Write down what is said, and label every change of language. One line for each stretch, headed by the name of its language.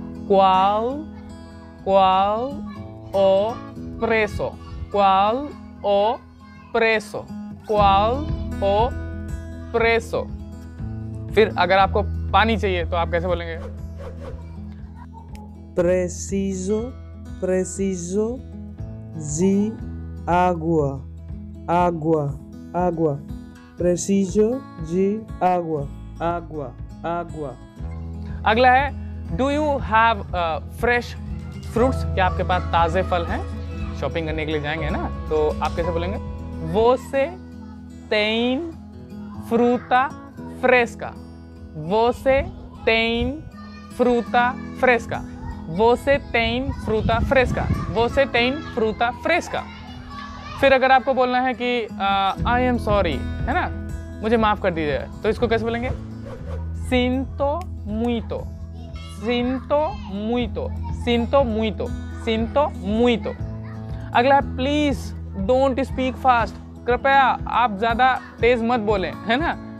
Portuguese: Qual, qual o preço? Qual o preço? Qual o preço?
Hindi: फिर अगर आपको पानी चाहिए तो आप कैसे बोलेंगे?
Portuguese: Preciso, preciso de água, água, água. Preciso de água, água, água.
Hindi: अगला है,
English: Do you have fresh fruits?
Hindi: क्या आपके पास ताज़े फल हैं? शॉपिंग करने के लिए जाएंगे ना तो आप कैसे बोलेंगे?
Portuguese: Você tem fruta fresca? Você tem fruta fresca? Você tem fruta fresca? Você tem fruta fresca?
Hindi: फिर अगर आपको बोलना है कि
English: I am sorry,
Hindi: है ना, मुझे माफ़ कर दीजिए, तो इसको कैसे बोलेंगे?
Portuguese: Sinto muito. Sinto muito, sinto muito, sinto muito.
Hindi: अगला,
English: please don't speak fast,
Hindi: कृपया आप ज्यादा तेज मत बोलें, है ना?